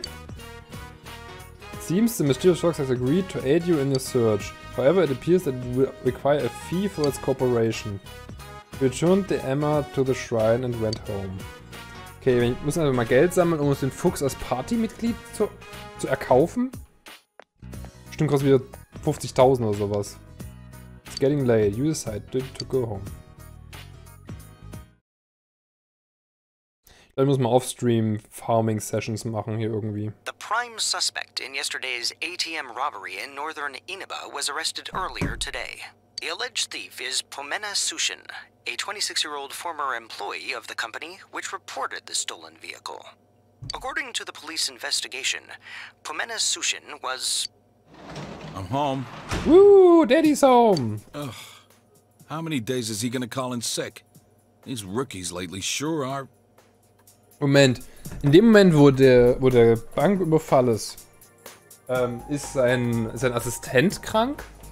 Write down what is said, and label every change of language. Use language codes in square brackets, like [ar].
[en] It seems the mysterious fox has agreed to aid you in your search. However, it appears that it will require a fee for its cooperation. Returned the Emma to the shrine and went home. [de] Okay, ich muss einfach mal Geld sammeln, um uns den Fuchs als Partymitglied zu erkaufen. Stimmt, kostet wieder 50.000 oder sowas. [en] It's getting late. You decide to go home. [de] Ich muss mal off-stream Farming Sessions machen hier irgendwie. [en] The prime suspect in yesterday's ATM robbery in northern Inaba was arrested earlier today. The alleged thief is Pomena Sushin, a 26-year-old former employee of the company which reported the stolen vehicle. According to the police investigation, Pomena Sushin was... I'm home. Woo, Daddy's home. Ugh, how many days is he gonna call in sick? These rookies lately sure are. [de] Moment, in dem Moment, wo der Banküberfall ist, ist sein Assistent krank?